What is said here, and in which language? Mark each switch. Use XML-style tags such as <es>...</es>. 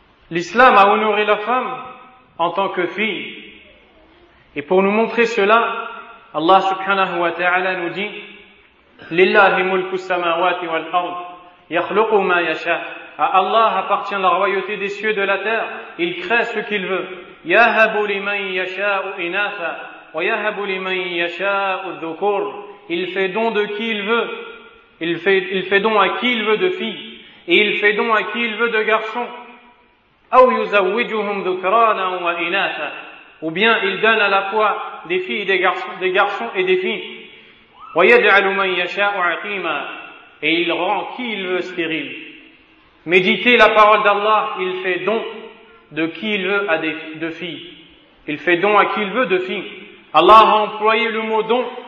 <fr>L'islam a honoré la femme en tant que fille. Et pour nous montrer cela, Allah subhanahu wa ta'ala nous dit,</fr> <ar>لله ملك السماوات والأرض يخلق ما يشاء.</ar> <fr>À Allah appartient la royauté des cieux et de la terre. Il crée ce qu'il veut.</fr> <ar>يهب لمن يشاء إناثا ويهب لمن يشاء الذكور.</ar> <fr>Il fait don de qui il veut. Il fait don à qui il veut de filles. Et il fait don à qui il veut de garçons.</fr> <ar>أو يزوجهم ذكرانا وإناثا.</ar> <fr>Ou bien il donne à la fois des filles et des garçons et des filles.</fr> <ar>وَيَجْعَلُ مَنْ يَشَاءُ عَقِيمًا.</ar> <fr>Et il rend qui il veut stérile. Méditez la parole d'Allah, il fait don de qui il veut à de filles. Il fait don à qui il veut de filles. Allah a employé le mot don.</fr>